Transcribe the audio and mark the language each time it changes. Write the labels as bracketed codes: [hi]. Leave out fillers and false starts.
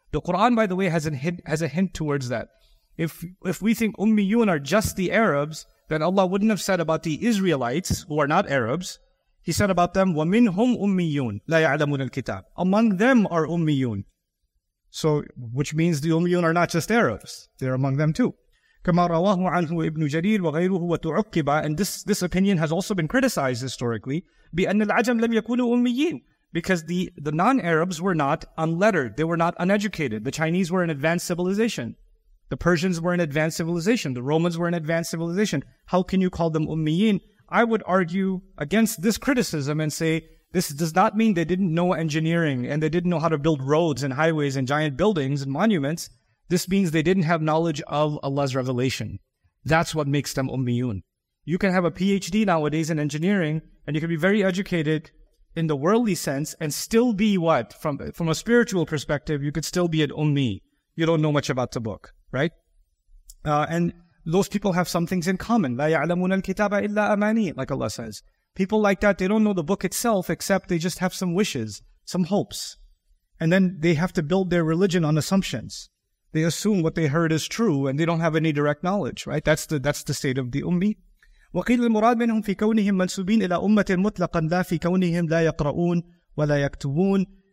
[en] The Quran, by the way, has a hint towards that. If we think ummiyun are just the Arabs, then Allah wouldn't have said about the Israelites, who are not Arabs, He said about them, [ar] وَمِنْهُمْ أُمِّيُّونَ لَا يَعْلَمُونَ الْكِتَابِ. [en] Among them are أُمِّيُّونَ. So, which means the أُمِّيُّونَ are not just Arabs. They're among them too. [ar] كَمَا رَوَاهُ عَنْهُ إِبْنُ جَرِيرٍ وَغَيْرُهُ وَتُعُقِّبَ. [en] And this opinion has also been criticized historically. [ar] بِأَنَّ الْعَجَمْ لَمْ يَكُونُوا أُمِّيِّينَ. [en] Because the non-Arabs were not unlettered. They were not uneducated. The Chinese were an advanced civilization. The Persians were an advanced civilization. The Romans were an advanced civilization. How can you call them أُمِّيِّينَ? I would argue against this criticism and say this does not mean they didn't know engineering and they didn't know how to build roads and highways and giant buildings and monuments. This means they didn't have knowledge of Allah's revelation. That's what makes them ummiyun. You can have a PhD nowadays in engineering and you can be very educated in the worldly sense and still be what? From a spiritual perspective, you could still be an ummi. You don't know much about the book, right? And those people have some things in common. [ar] لا يعلمون الكتاب إلا أماني, [en] like Allah says. People like that, they don't know the book itself, except they just have some wishes, some hopes. And then they have to build their religion on assumptions. They assume what they heard is true, and they don't have any direct knowledge, right? That's the state of the ummi. [ar] وَقِيلَ الْمُرَادُ مِنْهُمْ فِي كَوْنِهِمْ مَنْسُوبِينَ إِلَىٰ أُمَّةٍ مُطْلَقًا لَا فِي كَوْنِهِمْ لَا يَقْرَؤُونَ وَلَا يَكْتُبُونَ.